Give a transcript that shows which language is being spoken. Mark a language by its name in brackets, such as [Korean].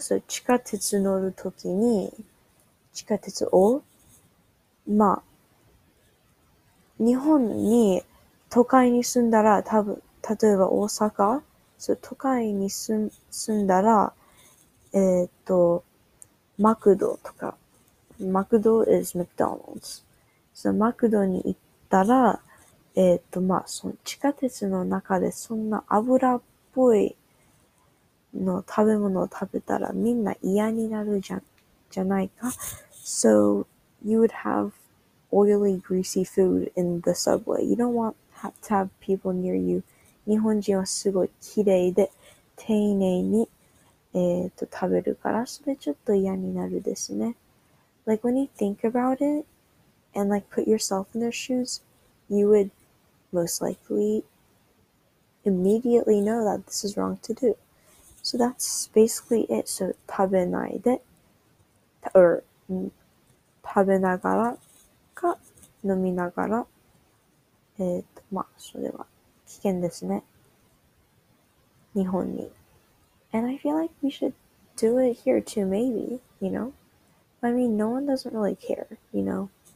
[Japanese] そう、地下鉄乗るときに、地下鉄を、まあ、日本に、都会に住んだら、多分、例えば大阪、そう、都会に住んだら、マクドとか、マクド [English] is McDonald's。 [Japanese] そのマクドに行ったら、まあ、その地下鉄の中でそんな油っぽいの食べ物を食べたらみんな嫌になるじゃないか。 [English] So, you would have oily, greasy food in the subway. You don't want to have people near you. [Japanese] 日本人はすごい綺麗で丁寧に、食べるから、それちょっと嫌になるですね。 [English] Like, when you think about it, and like put yourself in their shoes, you would most likely immediately know that this is wrong to do. So that's basically it. [Japanese] So, 食べないで、or 食べながらか飲みながら、まあ、それは危険ですね。日本に。 [English] And I feel like we should do it here too, maybe, you know? I mean, no one doesn't really care, you know?